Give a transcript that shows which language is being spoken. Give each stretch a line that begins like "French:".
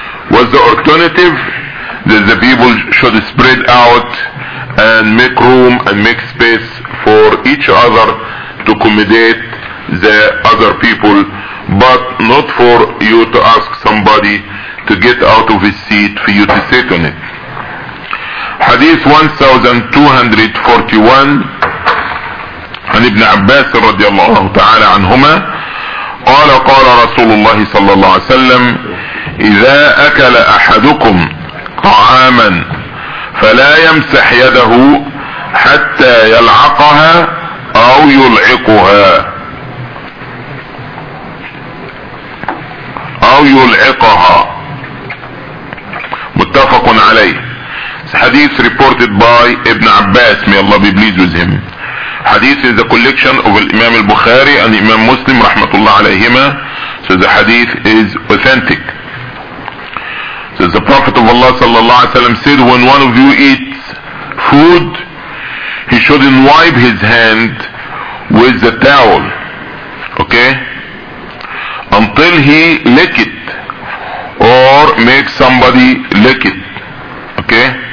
English: What's the alternative? That the people should spread out and make room and make space for each other to accommodate the other people, but not for you to ask somebody to get out of his seat for you to sit on it.
Arabic: Hadith 1241 عن ابن عباس رضي الله تعالى عنهما قال قال رسول الله صلى الله عليه وسلم إذا أكل أحدكم طعاما فلا يمسح يده حتى يلعقها أو يلعقها أو يلعقها. متفق عليه.
English: حديث reported by ابن عباس, may Allah be pleased with him. حديث is a collection of الإمام البخاري and الإمام مسلم رحمة الله عليهما. So the hadith is authentic. So the Prophet of Allah صلى الله عليه وسلم said, when one of you eats food, he shouldn't wipe his hand with the towel. Okay? Until he lick it or make somebody lick it. Okay?